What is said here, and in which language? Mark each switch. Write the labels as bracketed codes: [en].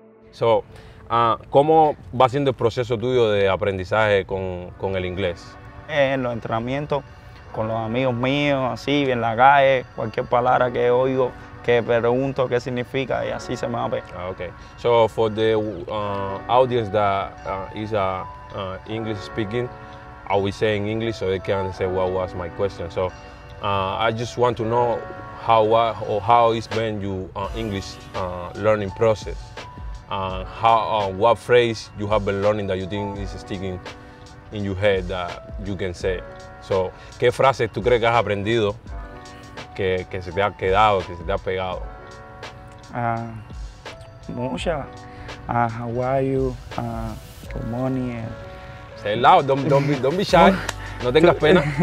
[es] So, ¿cómo va siendo el proceso tuyo de aprendizaje con el inglés? En los entrenamientos con los amigos míos, así, en la calle, cualquier palabra que oigo, que pregunto qué significa, y así se me va a pegar. [en] Okay. So, for the audience that is English speaking, I will say in English so they can say what was my question. So, I just want to know how it's been your English learning process. What phrase you have been learning that you think is sticking in your head that you can say. [es] So, ¿qué frases tú crees que has aprendido que se te ha quedado, que se te ha pegado? Muchas. [en] How are you? Good morning. Say it loud, don't be shy. [es] No tengas pena.